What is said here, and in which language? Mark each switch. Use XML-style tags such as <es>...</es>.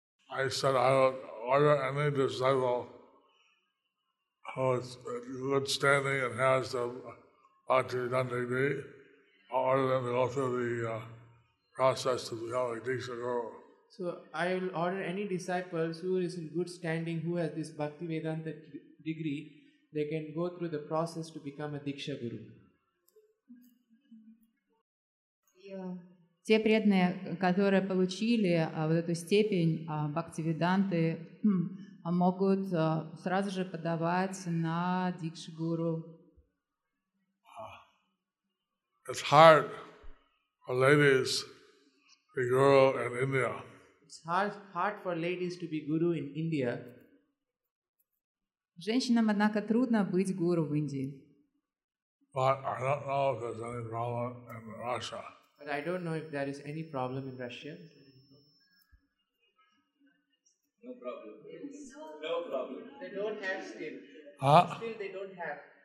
<en>I said I would order any disciple who is in good standing and has the Bhaktivedanta degree, I'll order them to go through the process to become a Diksha Guru. So I will order any disciples who is in good standing, who has this Bhaktivedanta degree, they can go through the process to become a Diksha Guru. Yeah.</en> <ru>Те преданные, которые получили вот эту степень Бхактивиданты, могут сразу же подавать на Дикшигуру.</ru> <en>It's hard for ladies to be guru in India. It's hard for ladies to be guru in India.</en> <ru>Женщинам, однако, трудно быть гуру в Индии.</ru> <en>But I don't know if there's any problem in Russia. But I don't know if there is any problem in Russia. No problem. No problem. They don't have still. Still they don't have.</en>